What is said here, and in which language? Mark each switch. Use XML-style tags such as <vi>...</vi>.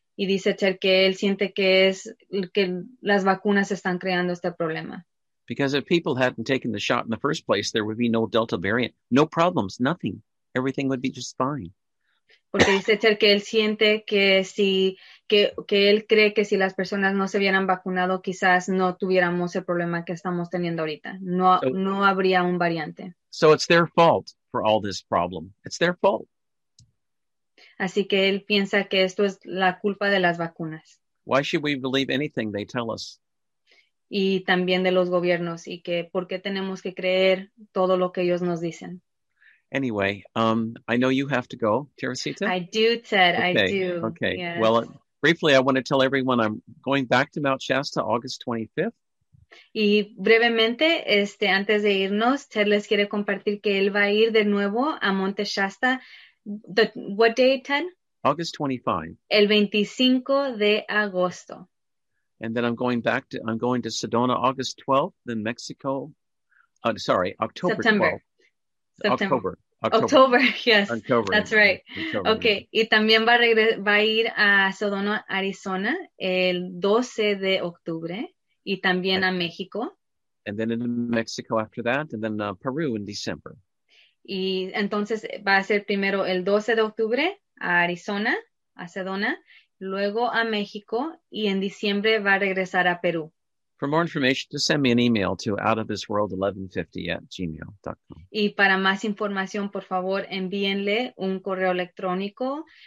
<es>Y dice Ted que él siente que las vacunas están creando este problema.</es> <en>Because if people hadn't taken the shot in the first place, there would be no Delta variant, no problems, nothing. Everything would be just fine.</en> <es>Porque dice Ted que él siente que si, que él cree que si las personas no se hubieran vacunado, quizás no tuviéramos el problema que estamos teniendo ahorita. No habría un variante.</es> <en>So it's their fault for all this problem. It's their fault.</en> <es>Así que él piensa que esto es la culpa de las vacunas.</es> <en>Why should we believe anything they tell us?</en> <es>Y también de los gobiernos, y que por qué tenemos que creer todo lo que ellos nos dicen.</es> <en>Anyway, I know you have to go, Teresita. I do, Ted, okay. I do. Okay, yes. Well, briefly, I want to tell everyone I'm going back to Mount Shasta August 25th.</en> <es>Y brevemente, antes de irnos, Ted les quiere compartir que él va a ir de nuevo a Monte Shasta.</es> <en>What day, Ted? August 25.</en> <es>El 25 de agosto.</es> <en>And then I'm going to Sedona August 12th, then Mexico, October 12th. October, that's right.</en> <es>Okay, y también va a ir a Sedona, Arizona, el 12 de octubre, y también a México.</es> <en>And then in Mexico after that, and then Peru in December.</en> <es>Y entonces va a ser primero el 12 de octubre a Arizona, a Sedona, luego a México, y en diciembre va a regresar a Perú.</es> <en>For more information, just send me an email to outofthisworld1150@gmail.com.</en> <es>Y para más información, por favor, envíenle un correo electrónico.</es>